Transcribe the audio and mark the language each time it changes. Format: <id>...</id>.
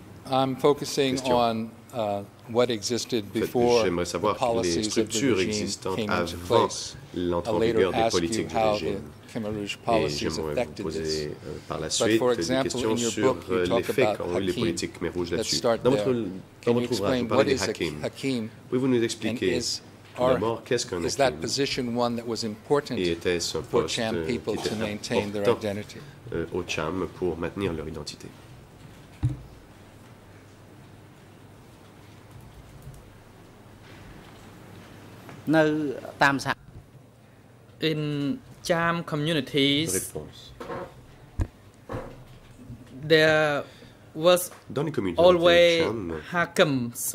<en>I'm focusing on what existed before the policies of the regime came into place. A later ask you how the Khmer Rouge policies affected this. But for example, in your book, you talk about Hakim. Let's start there. Can you explain what is Hakim?</en> <fr>Pouvez-vous nous expliquer, d'abord, qu'est-ce qu'un Hakim?</fr> <en>Is that position one that was important for Cham people to maintain their identity?</en> <fr>Au Cham pour maintenir leur identité.</fr> <en>In Cham communities, there was always hakams.</en>